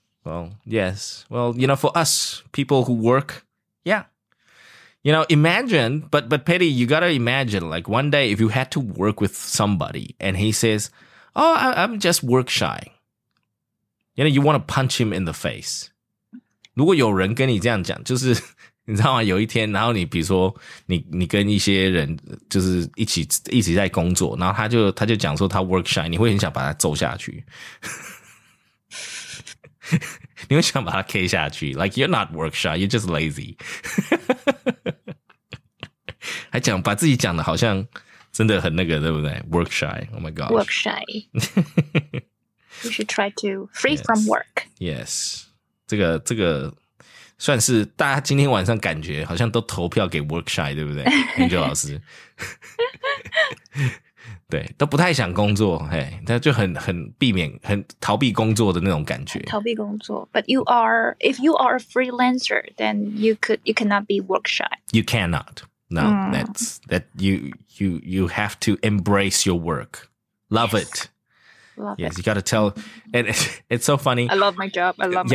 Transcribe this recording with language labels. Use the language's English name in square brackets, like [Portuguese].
[English] Well, yes. Well, you know, for us people who work, yeah. You know, imagine, but Petty, you got to imagine, like, one day if you had to work with somebody and he says, oh, I'm just work shy. You know, you want to punch him in the face. [Chinese] 如果有人跟你这样讲，就是你知道吗？有一天，然后你比如说你跟一些人就是一起在工作，然后他就讲说他 work shy， 你会很想把他揍下去，你会想把他 K 下去。 [English] Like you're not work shy, you're just lazy. [Chinese] 还讲把自己讲的好像真的很那个，对不对 ？Work shy. [English] Oh my god. Work shy. You should try to free from work. Yes. [Chinese] 这个算是大家今天晚上感觉好像都投票给 work shy， 对不对 ，Angel 老师？对，都不太想工作，嘿，他就很避免、很逃避工作的那种感觉。逃避工作 [English] ，But you are if you are a freelancer, then you cannot be work shy. You cannot. No,、that you have to embrace your work, love it. Love yes, it. You got to tell. And it's so funny. I love my job. I love my